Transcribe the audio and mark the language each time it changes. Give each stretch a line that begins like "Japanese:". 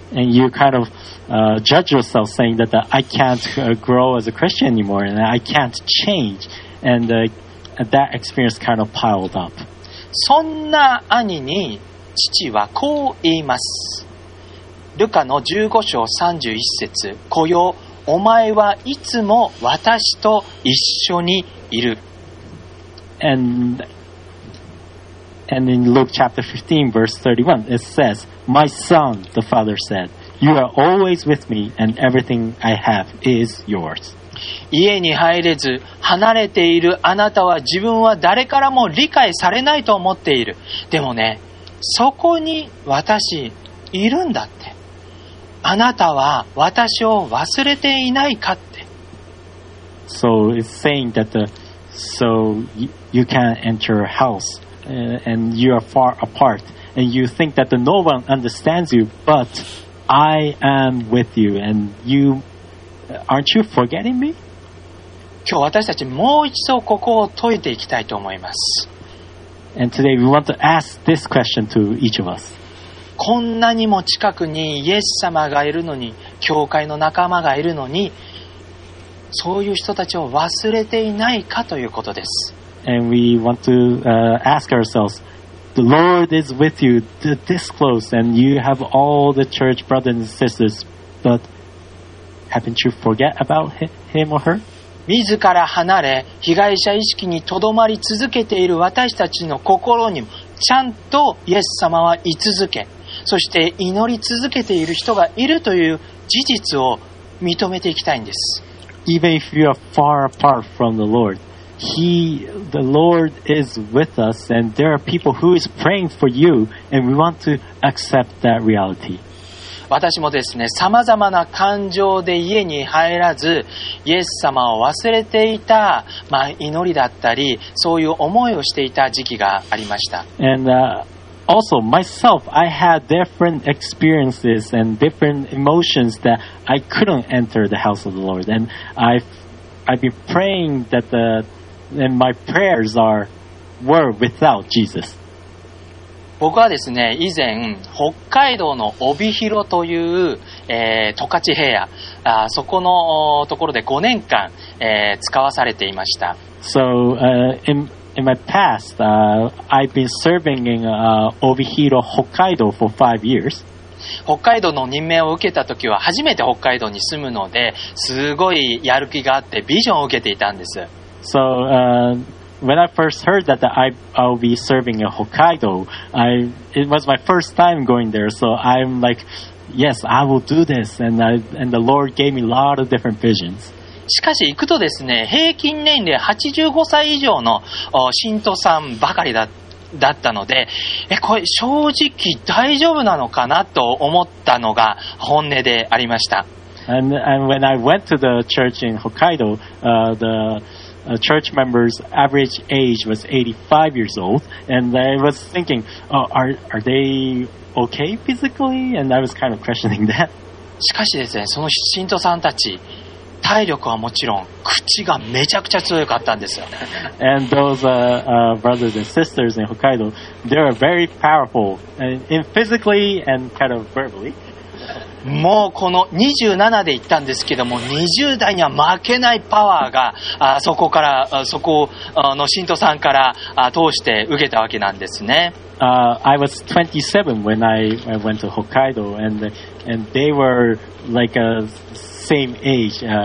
English: And you kind of judge yourself saying that I can't grow as a Christian anymore and I can't change and that experience kind of piled up.
Japanese: そんな兄に父はこう言います。ルカの15章31節、子よ、お前はいつも私と一緒にいる。
English: And in Luke chapter 15 verse 31 it says, My son, the father said, You are always with me and everything I have is yours.
Japanese: 家に入れず離れているあなたは自分は誰からも理解されないと思っている。でもね、そこに私いるんだって。あなたは私を忘れていないかって。
English: So it's saying that so you can't enter a houseand you are far apart and you think that no one understands you but I am with you and you aren't you forgetting me?
Japanese: 今日私たちもう一度ここを解いていきたいと思います。
English: And today we want to ask this question to each of us.
Japanese: こんなにも近くにイエス様がいるのに、教会の仲間がいるのに、そういう人たちを忘れていないかということです。
English: And we want to ask ourselves, the Lord is with you this close, and you have all the church brothers and sisters, but haven't you forget about him or her?
Japanese: 自ら離れ、被害者意識にとどまり続けている私たちの心にも、ちゃんとイエス様は居続け、そして祈り続けている人がいるという事実を認めていきたいんです。
English: Even if you are far apart from the Lord,the Lord is with us and there are people who is praying for you and we want to accept that reality.
Japanese: 私もですね、様々な感情で家に入らず、イエス様を忘れていた、まあ、祈りだったり、そういう思いをしていた時期がありました。
English: And, also, myself, I had different experiences and different emotions that I couldn't enter the house of the Lord. And I've been praying that the, and my prayers are, were without Jesus.
Japanese: 僕はですね、以前、北海道の帯広という、十勝平野、そこのところで5年間、使わされていました。
English: So, in my past, I've been serving in, 帯広、北海道 for 5 years.
Japanese: 北海道の任命を受けたときは初めて北海道に住むので、すごいやる気があってビジョンを受けていたんです。
English: So, When I first heard that I'll be serving in Hokkaido, it was my first time going there. So I'm like, yes, I will do this. And the Lord gave me a lot of different visions.
Japanese: しかし行くとですね、平均年齢85歳以上の信徒さんばかりだったので、これ正直大丈夫なのかなと思ったのが本音でありました。
English: And when I went to the church in Hokkaido, church members' average age was 85 years old, and I was thinking, are they okay physically? And I was kind of questioning that.
Japanese: しかしですね、その信徒さんたち、体力はもちろん、口がめちゃくちゃ強かったんですよ。
English: And those brothers and sisters in Hokkaido, they were very powerful in physically and kind of verbally.
Japanese: もうこの27で行ったんですけども20代には負けないパワーがそこからそこの信徒さんから通して受けたわけなんですね。
English: I was 27 when I went to Hokkaido and they were like a same age.